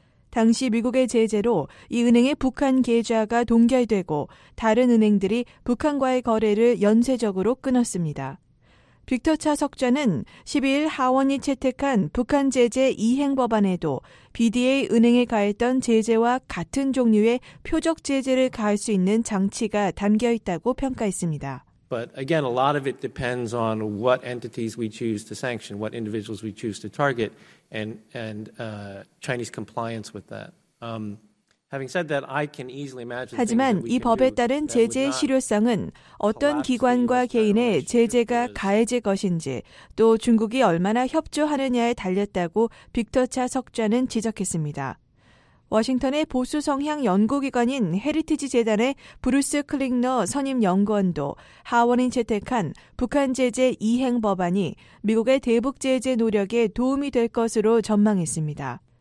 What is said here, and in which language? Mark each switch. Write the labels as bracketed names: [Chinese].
[Korean] 당시 미국의 제재로 이 은행의 북한 계좌가 동결되고 다른 은행들이 북한과의 거래를 연쇄적으로 끊었습니다. 빅터 차 석좌는 12일 하원이 채택한 북한 제재 이행 법안에도 BDA 은행에 가했던 제재와 같은 종류의 표적 제재를 가할 수 있는 장치가 담겨 있다고 평가했습니다. [English] But again, a lot of it depends on what entities we choose to sanction, what individuals we choose to target, and Chinese compliance with that. Having said that, I can easily imagine. [Korean] 하지만 이 법에 따른 제재의 실효성은 어떤 기관과 개인의 제재가 가해질 것인지 또 중국이 얼마나 협조하느냐에 달렸다고 빅터 차 석좌는 지적했습니다. 워싱턴의 보수 성향 연구기관인 헤리티지 재단의 브루스 클링너 선임 연구원도 하원이 채택한 북한 제재 이행 법안이 미국의 대북 제재 노력에 도움이 될 것으로 전망했습니다.